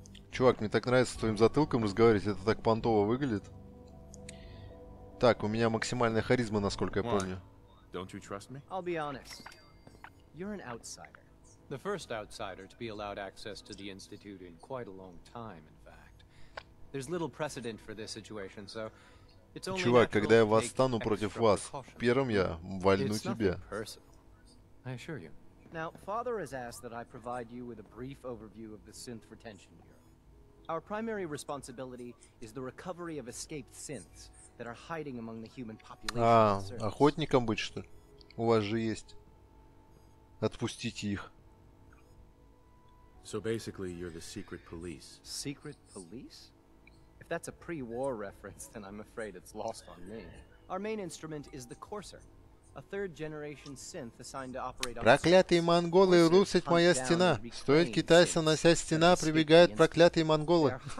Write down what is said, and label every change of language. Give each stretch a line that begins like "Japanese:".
Russian: Чувак, мне так нравится с твоим затылком разговаривать, это так понтово выглядит. Так, у меня максимальная харизма, насколько я помню.
English: Don't you trust me? I'll be honest. You're an outsider. The first outsider to be allowed access to the institute in quite a long time, in fact. There's little precedent for this situation, so it's only.
Russian: Чувак, когда я восстану против вас, первым я вальну тебе.
English: I assure you. Now, Father has asked that I provide you with a brief overview of the synth retention bureau. Our primary responsibility is the recovery of escaped synths that are hiding among the human population.
Russian: А, охотником быть, что ли? У вас же есть. Отпустите их.
English: So basically you're the secret police. Secret police? If that's a pre-war reference, then I'm afraid it's lost on me. Our main instrument is the Courser, a third generation synth assigned to operate on.
Russian: Проклятые монголы рушат моя стена. Стоит китайцам насесть стена, прибегают проклятые монголы.